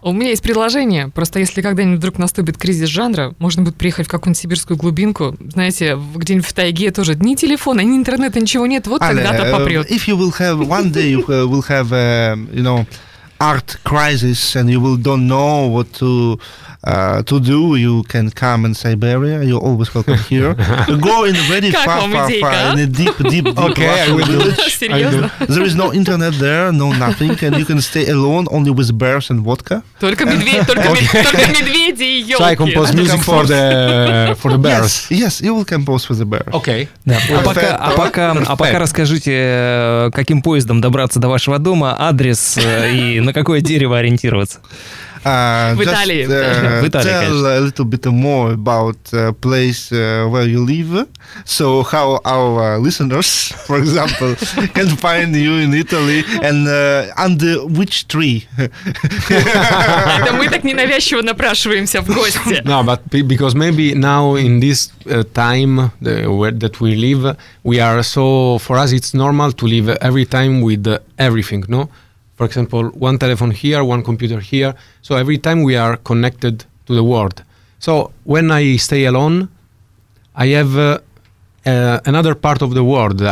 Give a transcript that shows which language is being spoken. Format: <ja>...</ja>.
<ru>У меня есть предложение, просто если когда-нибудь вдруг наступит кризис жанра, можно будет приехать в какую-нибудь сибирскую глубинку, знаете, где-нибудь в тайге тоже ни телефона, ни интернета, ничего нет, вот тогда-то попрет.</ru> <en>If you will have one day you will have a, you know, art crisis and you will don't know what to do, you can come in Siberia, you're always welcome here. Go in very far in a deep okay, Russian village.</en> <ru>Серьезно?</ru> <en>There is no internet there, no nothing, and you can stay alone only with bears and vodka.</en> <ru>Только медведи, медведи и ёлки.</ru> <en>So I compose music for the bears. Yes, you will compose for the bears. Okay.</en> <ru>А пока расскажите, каким поездом добраться до вашего дома, адрес и на какое дерево ориентироваться.</ru> <en>Tell a little bit more about place where you live, so how our listeners, for example, can find you in Italy and under which tree.</en> <ru>Это мы так ненавязчиво напрашиваемся в гости.</ru> <en>No, but because maybe now in this time that we live, we are so, for us it's normal to live every time with everything, no? For example, one telephone here, one computer here. So every time we are connected to the world. So when I stay alone, I have another part of the world.</en>